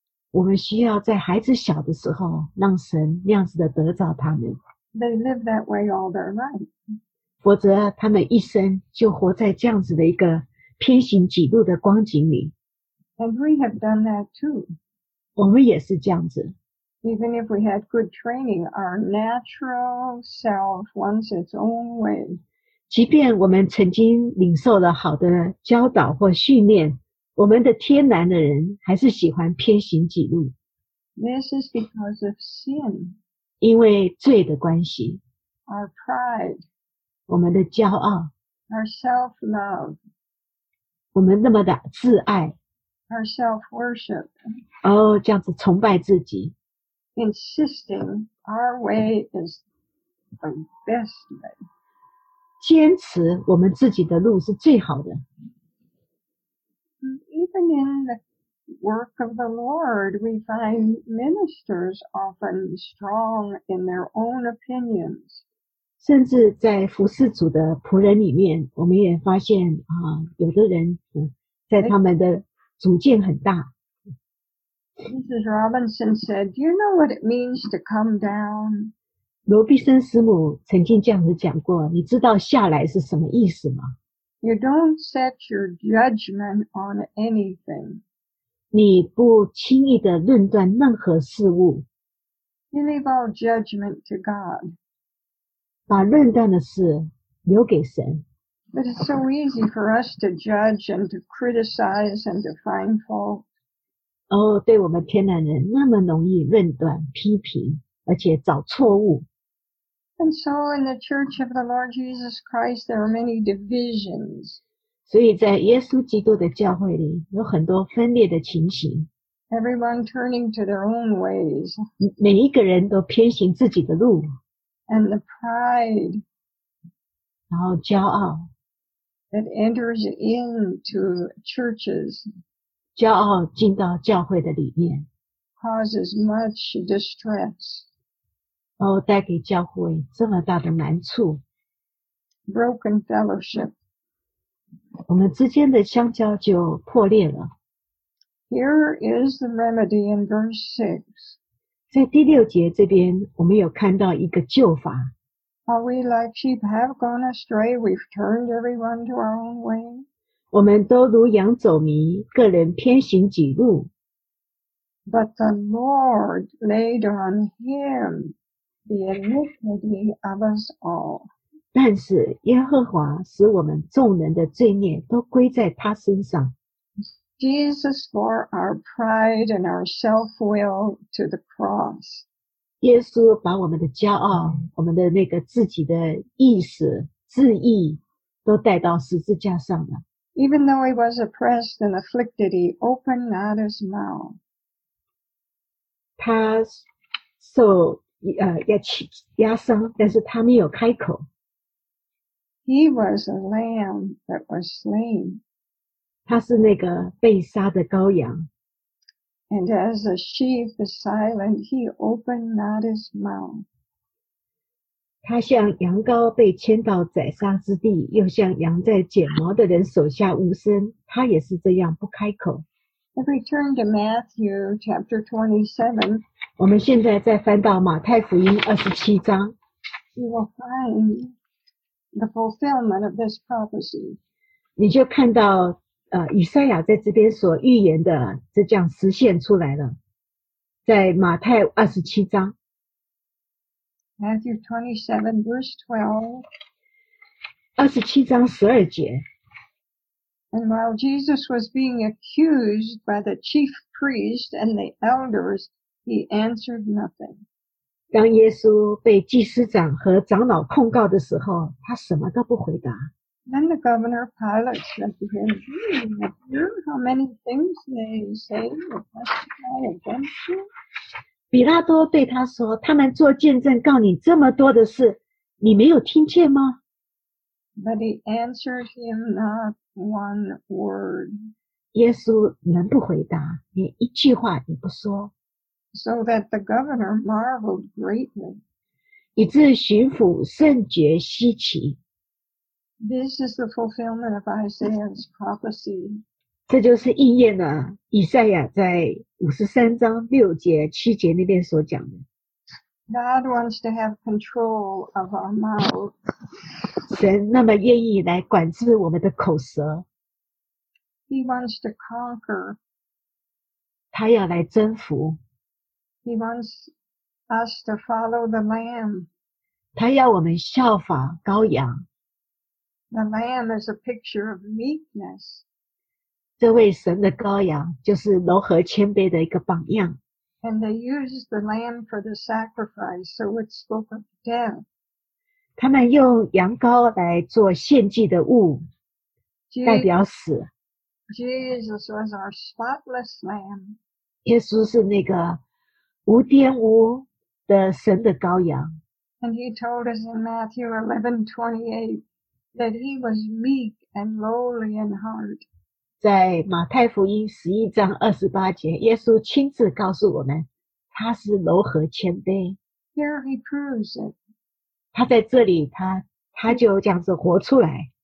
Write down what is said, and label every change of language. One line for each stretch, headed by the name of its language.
Chinese: 我们需要在孩子小的时候让神那样子的得着他们。
English: They live that way all their life.
Chinese: 否则他们一生就活在这样子的一个偏行己路的光景里。
English: And we have done that too.
Chinese: 我们也是这样子。
English: Even if we had good training, our natural self wants its own way.
Chinese: 即便我们曾经领受了好的教导或训练，我们的天然的人还是喜欢偏行己路。
English: This is because of sin.
Chinese: 因为罪的关系。
English: Our pride.
Chinese: 我们的骄傲。
English: Our self-love.
Chinese: 我们那么的自爱。
English: Our self-worship.
Chinese: 哦，这样子崇拜自己。
English: Insisting our way is the best way.
Chinese: 坚持我们自己的路是最好的。
English: Even in the work of the Lord, we find ministers often strong in their own opinions.
Chinese: 甚至在服侍主的仆人里面，我们也发现啊，有的人在他们的主见很大。
English: Mrs. Robinson said, "Do you know what it means to come down?"
Chinese: 罗碧森师母曾经这样子讲过，你知道下来是什么意思吗
English: ？You don't set your judgment on anything.
Chinese: 你不轻易的论断任何事物。
English: You leave all judgment to God.
Chinese: 把论断的事留给神。
English: But it's so easy for us to judge and to criticize and to find fault.
Chinese: 哦，对我们天然人那么容易论断、批评，而且找错误。
English: And so in the Church of the Lord Jesus Christ, there are many divisions.
Chinese: 所以在耶稣基督的教会里有很多分裂的情形。
English: Everyone turning to their own ways.
Chinese: 每一个人都偏行自己的路。
English: And the pride.
Chinese: 然后骄傲。
English: That enters into churches.
Chinese: 骄傲进到教会的里面。
English: Causes much distress.
Chinese: 哦，带给教会这么大的难处。
English: Broken fellowship.
Chinese: 我们之间的相交就破裂了。
English: Here is the remedy in verse 6.
Chinese: 在第六节这边我们有看到一个救法。
English: Are we like sheep have gone astray? We've turned everyone to our own way.
Chinese: 我们都如羊走迷，个人偏行己路。
English: But the Lord laid on him. The iniquity of us all.
Chinese: 但是耶和华使我们众人的罪孽都归在他身上。
English: Jesus bore our pride and our self-will to the cross.
Chinese: 耶稣把我们的骄傲，我们的那个自己的意识、自义，都带到十字架上了。
English: Even though he was oppressed and afflicted, he opened not his mouth.
Chinese: 他受压伤，但是他没有开口。
English: He was a lamb that was slain.
Chinese: 他是那个被杀的羔羊。
English: And as a sheep is silent, he opened not his mouth.
Chinese: 他像羊羔被牵到宰杀之地，又像羊在剪毛的人手下无声，他也是这样不开口。
English: If we turn to Matthew chapter 27,
Chinese: 我们现在再翻到马太福音27章。
English: You will find the fulfillment of this prophecy.
Chinese: 你就看到以赛亚在这边所预言的这样实现出来了。在马太27章。
English: Matthew 27 verse 12.
Chinese: 27章12节。
English: And while Jesus was being accused by the chief priest and the elders, he answered nothing.
Chinese: 当耶稣被祭司长和长老控告的时候，他什么都不回答。
English: Then the governor Pilate said to him, "Have you heard how many things they say or testify against you?"
Chinese: 比拉多对他说，他们做见证告你这么多的事，你没有听见吗？
English: But he answered him not one word.
Chinese: 耶稣能不回答，连一句话也不说。
English: So that the governor marveled greatly.
Chinese: 以致巡抚甚觉稀奇。
English: This is the fulfillment of Isaiah's prophecy.
Chinese: 这就是应验了以赛亚在53章6节7节那边所讲的。
English: God wants to have control of our mouth.
Chinese: 神那么愿意来管制我们的口舌。
English: He wants to conquer.
Chinese: 他要来征服。
English: He wants us to follow the lamb.
Chinese: 他要我们效法羔羊。
English: The lamb is a picture of meekness.
Chinese: 这位神的羔羊就是柔和谦卑的一个榜样。
English: And they used the lamb for the sacrifice, so it spoke of death.
Chinese: 他们用羊羔来做献祭的物，代表死。
English: Jesus was our spotless lamb.
Chinese: 耶稣是那个无玷污的神的羔羊。
English: And he told us in Matthew 11:28 that he was meek and lowly in heart.
Chinese: 在马太福音11章28节，耶稣亲自告诉我们，他是柔和谦卑。
English: Here he proves it.
Chinese: 他在这里，他就这样子活出来。